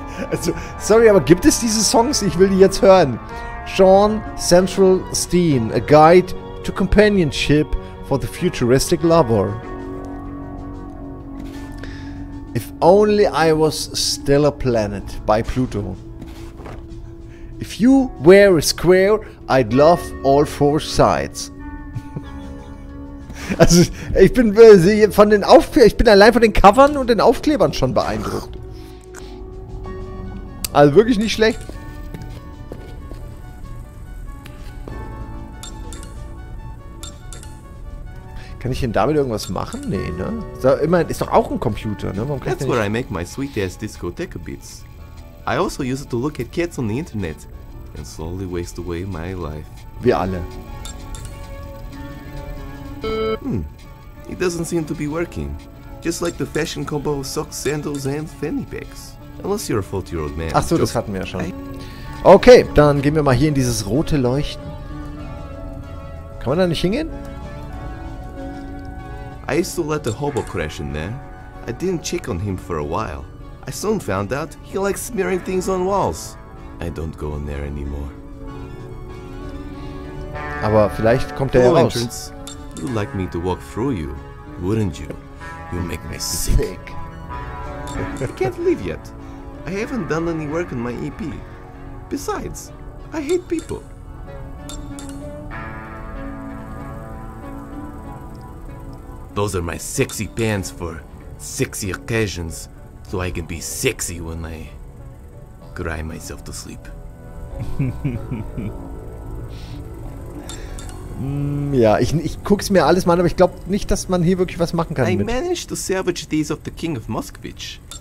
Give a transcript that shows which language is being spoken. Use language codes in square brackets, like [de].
[de] Also, sorry, aber gibt es diese Songs? Ich will die jetzt hören. [en] Sean Central Steen, a guide to companionship for the futuristic lover. If only I was still a planet by Pluto. If you were a square, I'd love all 4 sides. [de] Also, ich bin von den Aufklebern, ich bin allein von den Covern und den Aufklebern schon beeindruckt. Also wirklich nicht schlecht. Kann ich denn damit irgendwas machen? Nee, ne? So, immerhin ist doch auch ein Computer, ne? Warum kann [en] That's where I make my sweet-ass discotheque beats. I also use it to look at cats on the internet and slowly waste away my life. [de] Wir alle. [en] Hm. It doesn't seem to be working. Just like the fashion combo of socks, sandals and fanny packs. Unless you're a 40-year-old man. [de] Ach so, das hatten wir ja schon. Okay, dann gehen wir mal hier in dieses rote Leuchten. Kann man da nicht hingehen? [en] I used to let the hobo crash in there. I didn't check on him for a while. I soon found out he likes smearing things on walls. I don't go in there anymore. [de] Aber vielleicht kommt er raus. [en] Entrance. You'd like me to walk through you, wouldn't you? You make me sick. I can't leave yet. I haven't done any work on my EP. Besides, I hate people. Those are my sexy pants for sexy occasions, so I can be sexy when I cry myself to sleep. [de] Ja, ich guck's mir alles mal an, aber ich glaub nicht, dass man hier wirklich was machen kann. [en] I managed to salvage these of the King of Moskvich.